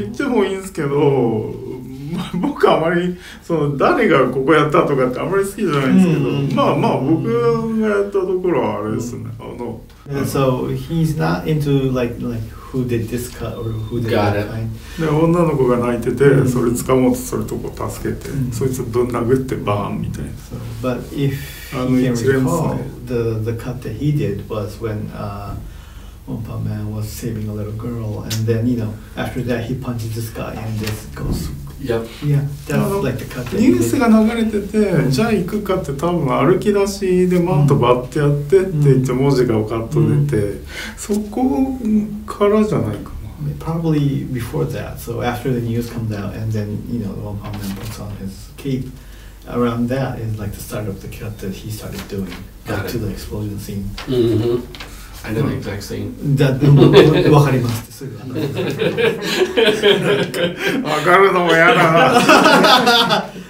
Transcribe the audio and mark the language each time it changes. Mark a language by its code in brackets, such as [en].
[ja] まあ、僕はあまりその誰がここやったとかってあまり好きじゃないんですけど、まあ僕がやったところはあれですね。 [en] So he's not into like who did this cut or who did that kind. [ja] で女の子が泣いてて、それ掴もうとするとこ助けて、そいつぶん殴ってバーンみたいな。 [en] So, but if he can recall, the cut that he did was when Oompa Man was saving a little girl, and then you know after that he punches this guy and this goes. Yep. Yeah, that's like the cut. [ja] ニュースが流れてて、じゃあ行くかって多分歩き出しでマットバッてやってって言って文字がカット出て、そこからじゃないかな。 [en] Probably before that. So after the news comes out and then, you know, the one man puts on his cape, around that is like the start of the cut that he started doing. Got it. To the explosion scene. I know the exact scene. That the one [ja] わかります。分かるのもやだな。